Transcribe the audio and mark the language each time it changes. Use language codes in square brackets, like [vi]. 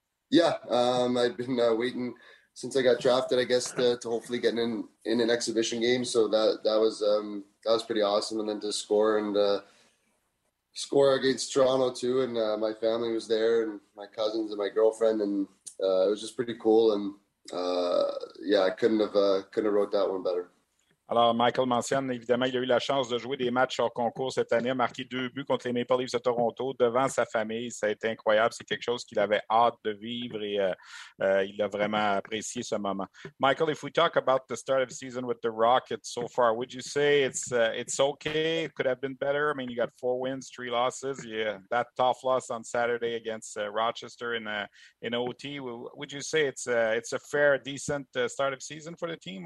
[en] Yeah, I've been waiting since I got drafted, I guess, to hopefully get in an exhibition game. So that was pretty awesome, and then to score and score against Toronto too, and my family was there, and my cousins and my girlfriend, and it was just pretty cool. And yeah, I couldn't have wrote that one better. [fr] Alors, Michael mentionne, évidemment, il a eu la chance de jouer des matchs hors concours cette année, a marqué deux buts contre les Maple Leafs de Toronto devant sa famille. Ça a été incroyable. C'est quelque chose qu'il avait hâte de vivre et il a vraiment apprécié ce moment. [en] Michael, if we talk about the start of the season with the Rockets so far, would you say it's okay? It could have been better. I mean, you got four wins, three losses. Yeah, that tough loss on Saturday against Rochester in OT. Would you say it's a fair, decent start of season for the team?